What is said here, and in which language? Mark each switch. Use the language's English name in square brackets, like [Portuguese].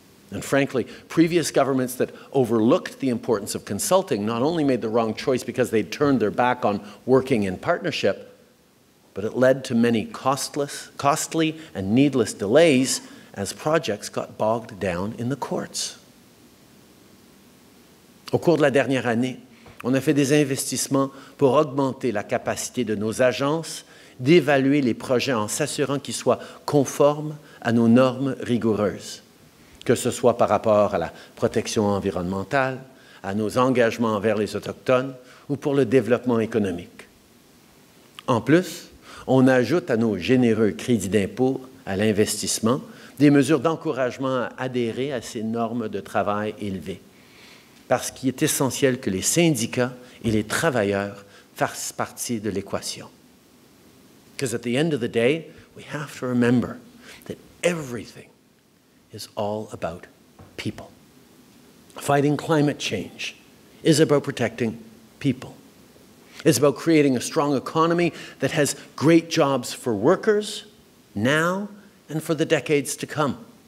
[English] And frankly, previous governments that overlooked the importance of consulting not only made the wrong choice because they'd turned their back on working in partnership, but it led to many costly and needless delays as projects got bogged down in the courts. [French] Au cours de la dernière année, on a fait des investissements pour augmenter la capacité de nos agences d'évaluer les projets en s'assurant qu'ils soient conformes à nos normes rigoureuses, que ce soit par rapport à la protection environnementale, à nos engagements envers les Autochtones ou pour le développement économique. En plus, on ajoute à nos généreux crédits d'impôt à l'investissement des mesures d'encouragement à adhérer à ces normes de travail élevées, parce qu'il est essentiel que les syndicats et les travailleurs fassent partie de l'équation. [English] Because at the end of the day, we have to remember that everything is all about people. Fighting climate change is about protecting people. It's about creating a strong economy that has great jobs for workers now and for the decades to come.